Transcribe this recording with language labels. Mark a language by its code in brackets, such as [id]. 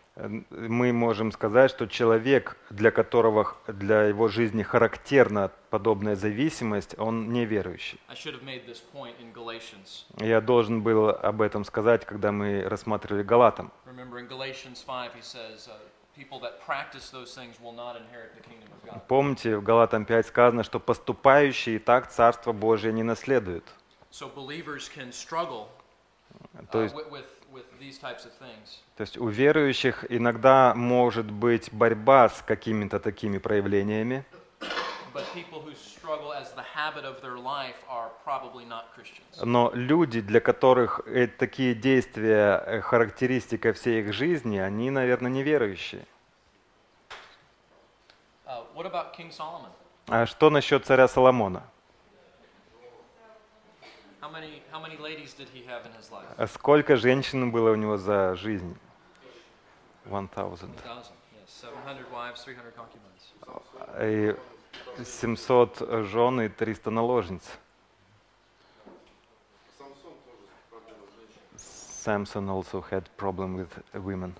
[ru] Мы можем сказать, что человек, для которого для его жизни характерна подобная зависимость, он неверующий. [en] I should have made this point in Galatians. [ru] Я должен был об этом сказать, когда мы рассматривали Галатам. [en] Remember in Galatians 5 he says people that practice those things will not inherit the kingdom of God. [ru] Помните, в Галатам 5 сказано, что поступающие так Царство Божие не наследуют. [en] So believers can struggle with these types of things. [ru] То есть у верующих иногда может быть борьба с какими-то такими проявлениями. [en] But people who struggle as the habit of their life are probably not Christians. [ru] Но люди, для которых такие действия характеристика всей их жизни, они, наверное, неверующие. [en] What about King Solomon? [ru] А что насчет царя Соломона? [en] How many ladies did he have in his life? [ru] Сколько женщин было у него за жизнь? [en] 1000. Yes, 700 wives, 300 concubines. [ru] 700 жен и 300 наложниц. [en] Samson also had problem with women.